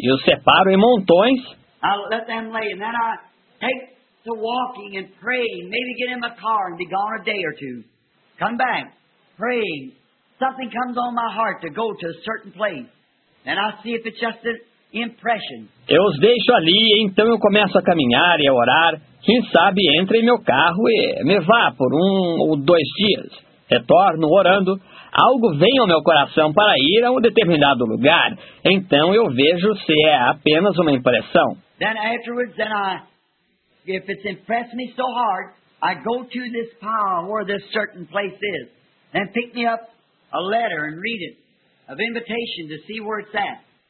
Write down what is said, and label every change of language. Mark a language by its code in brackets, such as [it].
[pt] E os separo em montões. [en] I let them lay and then I take to walking and praying, maybe get in my car and be gone a day or two. Come back, praying. Something comes on my heart to go to a certain place. And I see if it's just a impression. [pt] Eu os deixo ali, então eu começo a caminhar e a orar. Quem sabe entre em meu carro e me vá por um ou dois dias. Retorno orando. algo vem ao meu coração para ir a um determinado lugar, então eu vejo se é apenas uma impressão. [en] Then afterwards, then I, if it's impressed me so hard, I go to this power where this certain place is, and pick me up a letter and read it, of invitation to see where it's at.